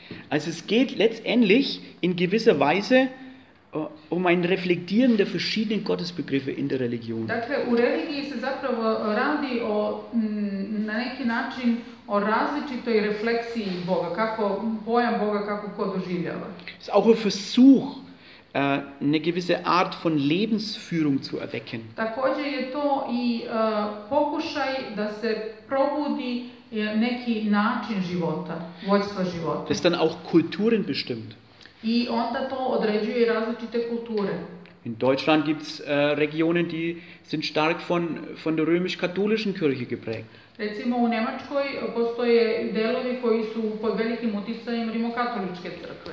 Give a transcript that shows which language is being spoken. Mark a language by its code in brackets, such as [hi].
[de] Also es geht letztendlich in gewisser Weise um ein Reflektieren der verschiedenen Gottesbegriffe in der Religion. [sr] Dakle, u religiji se zapravo radi o, na neki način, o različitoj refleksiji Boga, kako pojam Boga, kako ko doživljava. [de] Es ist auch ein Versuch, eine gewisse Art von Lebensführung zu erwecken. [sr] Također je to i pokušaj da se probudi neki način života, vojstva života. [de] Das dann auch Kulturen bestimmt. [sr] I onda to određuje različite kulture. [de] In Deutschland gibt es Regionen, die sind stark von der römisch-katholischen Kirche geprägt. [sr] Recimo u Nemačkoj postoje delovi koji su pod velikim uticajem rimokatoličke crkve.